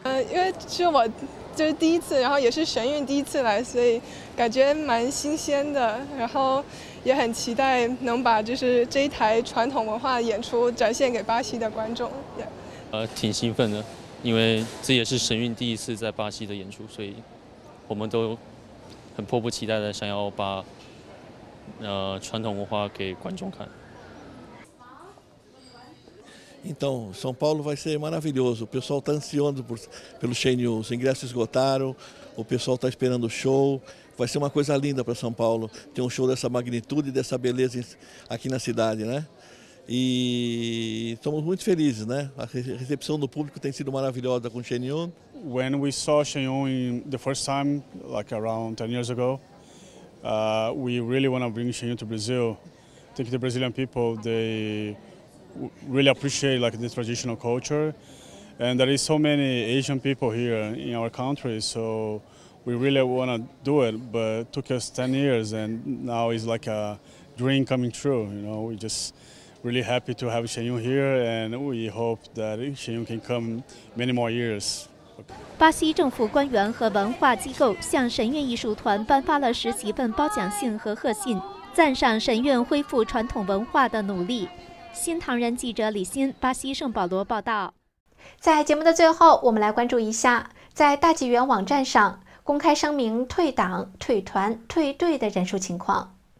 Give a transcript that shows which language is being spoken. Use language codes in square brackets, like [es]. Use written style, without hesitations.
[zh] 因为是我就是第一次，然后也是沈院第一次来，所以感觉蛮新鲜的，然后也很期待能把就是这一台传统文化演出展现给巴西的观众。挺兴奋的，因为这也是沈院第一次在巴西的演出，所以我们都很迫不及待的想要把传统文化给观众看。 [pt] Então, São Paulo vai ser maravilhoso. O pessoal está ansioso pelo Shane News. Os ingressos esgotaram, o pessoal está esperando o show. Vai ser uma coisa linda para São Paulo ter um show dessa magnitude e dessa beleza aqui na cidade, né? E estamos muito felizes, né? A recepção do público tem sido maravilhosa com o Shane News. [en] When we saw Shane News the first time, like around 10 years ago, we really want to bring Shane News to Brazil. I think the Brazilian people, they... really appreciate like the traditional culture, and there is so many Asian people here in our country, so we really want to do it, but it took us 10 years and now it's like a dream coming true. You know, we're just really happy to have Shane Yun here, and we hope that Shane Yun can come many more years. [zh] 巴西政府官员和文化机构向沈院艺术团颁发了10几份褒奖信和贺信，赞赏沈院恢复传统文化的努力。新唐人记者李欣，巴西圣保罗报道。在节目的最后，我们来关注一下，在大纪元网站上公开声明退党、退团、退队的人数情况。